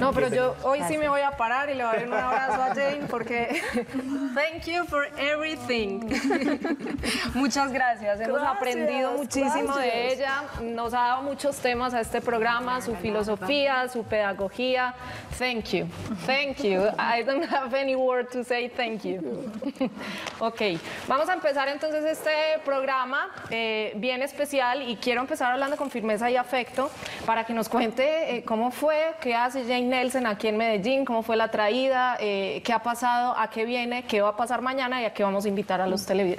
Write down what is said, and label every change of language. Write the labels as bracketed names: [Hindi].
[Spanish] No, pero yo hoy sí me voy a parar y le voy a dar un abrazo a Jane porque... [English] Thank you for everything. [Spanish] Muchas gracias. Hemos aprendido muchísimo de ella. Nos ha dado muchos temas a este programa, su filosofía, su pedagogía. [English] Thank you. Thank you. I don't have any word to say thank you. Ok. [Spanish] Vamos a empezar entonces este programa bien especial. Y quiero empezar hablando con firmeza y afecto para que nos cuente cómo fue, qué hace Jane Nielsen aquí en Medellín, cómo fue la traída, qué ha pasado, a qué viene, qué va a pasar mañana y a qué vamos a invitar a los televidentes.